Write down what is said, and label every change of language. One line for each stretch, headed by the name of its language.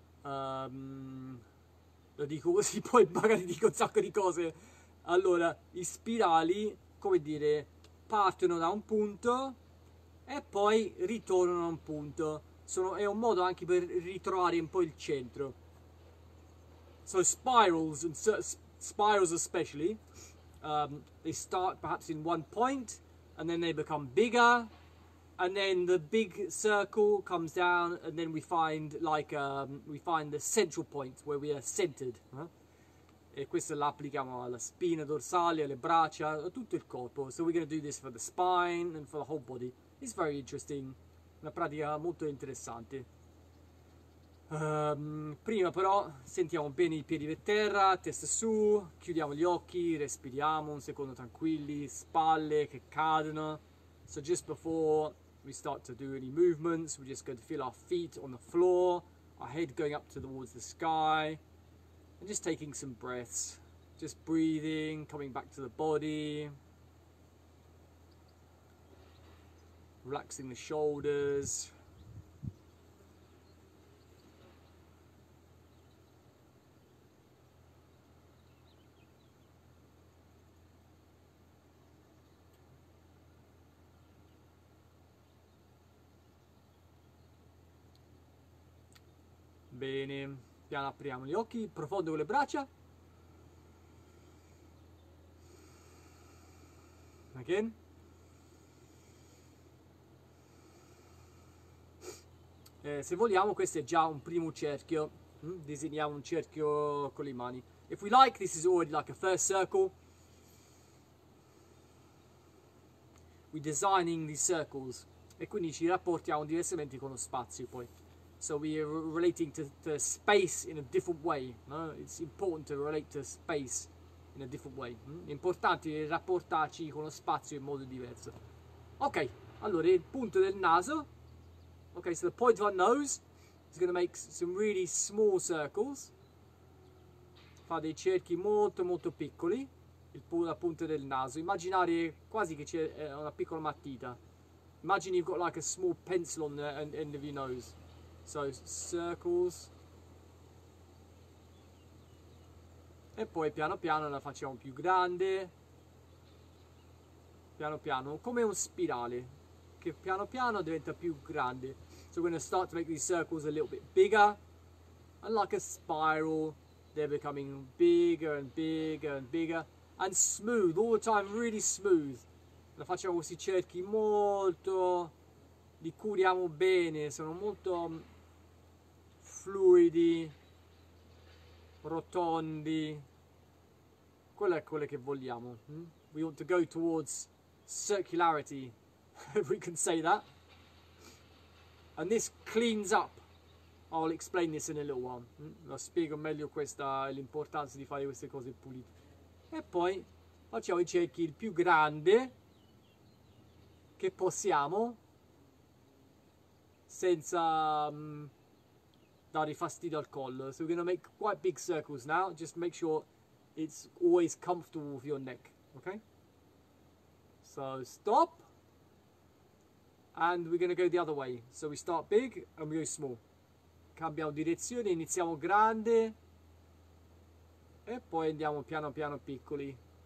Italian: Lo dico così, poi magari dico un sacco di cose. Allora, i spirali, come dire, partono da un punto e poi ritornano a un punto. È un modo anche per ritrovare un po' il centro.
English: So, spirals, and spirals especially, they start perhaps in one point and then they become bigger. And then the big circle comes down, and then we find the central point where we are centered.
Italian: E questo l'applichiamo alla spina dorsale, alle braccia, a tutto il corpo.
English: So we're going to do this for the spine and for the whole body. It's very interesting.
Italian: Una pratica molto interessante. Prima però sentiamo bene i piedi per terra, testa su, chiudiamo gli occhi, respiriamo un secondo tranquilli, spalle che cadono.
English: So just before we start to do any movements, we're just going to feel our feet on the floor, our head going up towards the sky, and just taking some breaths, just breathing, coming back to the body, relaxing the shoulders.
Italian: Bene, piano apriamo gli occhi, profondo con le braccia.
English: Again.
Italian: Se vogliamo, questo è già un primo cerchio. Disegniamo un cerchio con le mani.
English: If we like, this is already like a first circle. We're designing these circles.
Italian: E quindi ci rapportiamo diversamente con lo spazio poi.
English: So we are relating to space in a different way, no? It's important to relate to space in a different way.
Italian: È importante rapportarci con lo spazio in modo diverso. Ok, allora il punto del naso.
English: Ok, so the point of our nose is going to make some really small circles.
Italian: Fa dei cerchi molto molto piccoli. La punta del naso. Immaginare quasi che c'è una piccola matita.
English: Imagine you've got like a small pencil on the end of your nose. So, circles.
Italian: E poi piano piano la facciamo più grande. piano piano, come un spirale, che piano piano diventa più grande.
English: So we're gonna start to make these circles a little bit bigger, and like a spiral, they're becoming bigger and bigger and bigger, and smooth, all the time, really smooth.
Italian: La facciamo questi cerchi molto, li curiamo bene, sono molto fluidi, rotondi. Quella è quella che vogliamo.
English: We want to go towards circularity, if we can say that. And this cleans up. I'll explain this in a little while.
Italian: La spiego meglio questa, l'importanza di fare queste cose pulite. E poi facciamo i cerchi il più grande che possiamo senza dare fastidio al collo.
English: So we're gonna make quite big circles now. Just make sure it's always comfortable with your neck, okay? So stop. And we're gonna go the other way. So we start big and we go small.
Italian: Cambiamo direzione, iniziamo grande e poi andiamo piano piano piccoli.